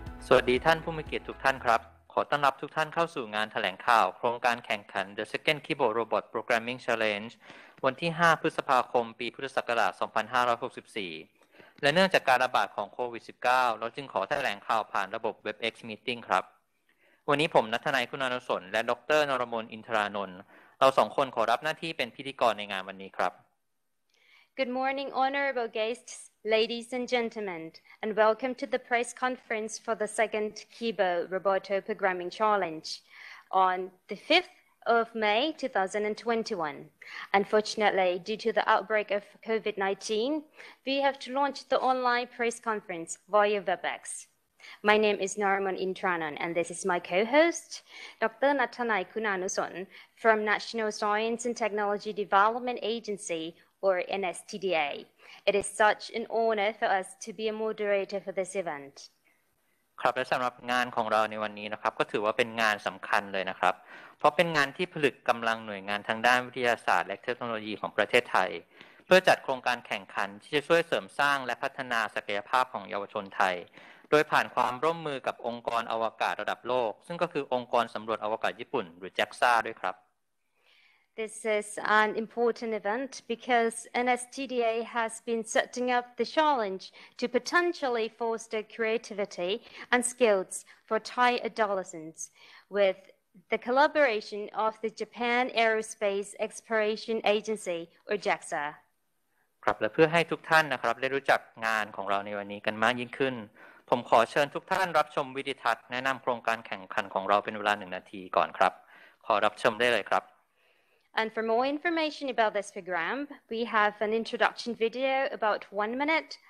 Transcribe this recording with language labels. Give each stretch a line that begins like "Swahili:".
Thai: สวัสดีท่านผู้มีเกียรติทุกท่านครับขอต้อนรับทุกท่านเข้าสู่งานแถลงข่าวโครงการแข่งขัน The Second Keyboard Robot Programming Challenge วันที่5พฤษภาคมปีพุทธศักราช2564และเนื่องจากการระบาดของโควิด-19 เราจึงขอแถลงข่าวผ่านระบบ WebEx Meeting ครับวันนี้ผมณัฐนัยคุณานุสนและดร. นรมนอินทรานนท์เราสองคนขอรับหน้าที่เป็นพิธีกรในงานวันนี้ครับ
English: Good morning, honorable guests, ladies and gentlemen, and welcome to the press conference for the second Kibo Roboto Programming Challenge on the 5th of May 2021. Unfortunately, due to the outbreak of COVID-19, we have to launch the online press conference via WebEx. My name is Narimon Intranon, and this is my co-host, Dr. Nattanai Kunanuson from National Science and Technology Development Agency,or NSTDA. It is such an honor for us to be a moderator for this event.
Thai: ครับและสำหรับงานของเราในวันนี้นะครับก็ถือว่าเป็นงานสำคัญเลยนะครับเพราะเป็นงานที่ผลึกกำลังหน่วยงานทางด้านวิทยาศาสตร์และเทคโนโลยีของประเทศไทยเพื่อจัดโครงการแข่งขันที่จะช่วยเสริมสร้างและพัฒนาศักยภาพของเยาวชนไทยโดยผ่านความร่วมมือกับองค์กรอวกาศระดับโลกซึ่งก็คือองค์กรสำรวจอวกาศญี่ปุ่นหรือ JAXA ด้วยครับ
English: This is an important event because NSTDA has been setting up the challenge to potentially foster creativity and skills for Thai adolescents with the collaboration of the Japan Aerospace Exploration Agency, or JAXA.
Thai: ครับและเพื่อให้ทุกท่านนะครับได้รู้จักงานของเราในวันนี้กันมากยิ่งขึ้นผมขอเชิญทุกท่านรับชมวิดีทัศน์แนะนำโครงการแข่งขันของเราเป็นเวลา1นาทีก่อนครับขอรับชมได้เลยครับ
English: And for more information about this program, we have an introduction video about 1 minute.